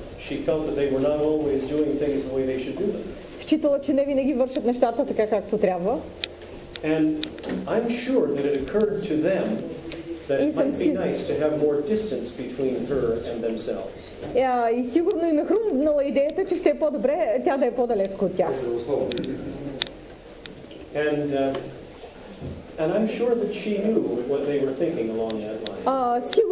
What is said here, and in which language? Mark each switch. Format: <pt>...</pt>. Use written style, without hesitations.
<en>She felt that they were not always doing things the way they should do them.</en> <bg>Считала, че не винаги вършат нещата така, както трябва.</bg> <en>And I'm sure that it occurred to them that it might be nice to have more distance between her and themselves.</en> <bg>Yeah, и сигурно им е хрумнала идеята, че ще е по-добре тя да е по-далеко от тях.</bg> <en>And I'm sure that she knew what they were thinking along that line.</en>